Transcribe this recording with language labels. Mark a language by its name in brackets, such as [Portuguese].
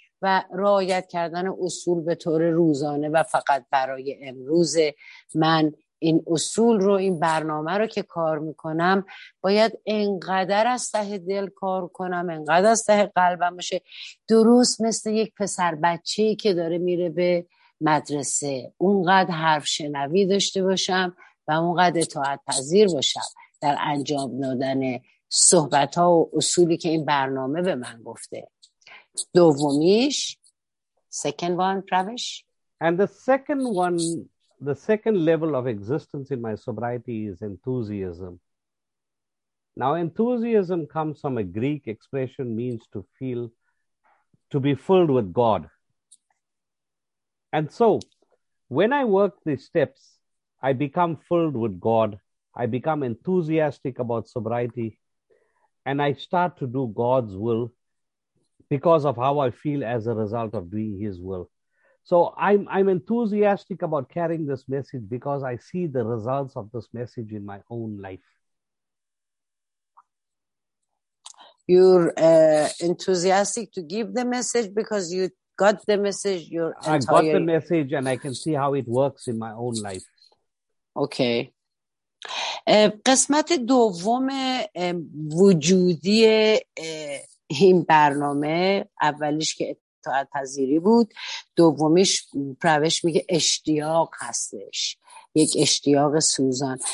[Persian] و رعایت کردن اصول به طور روزانه و فقط برای امروز من این اصول رو، این برنامه رو که کار میکنم باید انقدر از ته دل کار کنم، انقدر از ته قلبم باشه، درست مثل یک پسر بچه‌ای که داره میره به مدرسه، اونقدر حرف شنوی داشته باشم و اونقدر اطاعت پذیر باشم در انجام دادن صحبت ها و اصولی که این برنامه به من گفته. دومیش، [English] second one, Pravish. And the second one, the second level of existence in my sobriety is enthusiasm. Now enthusiasm comes from a Greek expression, means to feel, to be filled with God. And so, when I work the steps, I become filled with God. I become enthusiastic about sobriety. And I start to do God's will because of how I feel as a result of doing His will. So I'm enthusiastic about carrying this message because I see the results of this message in my own life. You're enthusiastic to give the message because you got the message. I got the message and I can see how it works in my own life. Okay. [Persian] قسمت دوم وجودی این برنامه، اولیش که اطاعت پذیری بود، دومیش پروش میگه اشتیاق هستش، یک اشتیاق سوزان.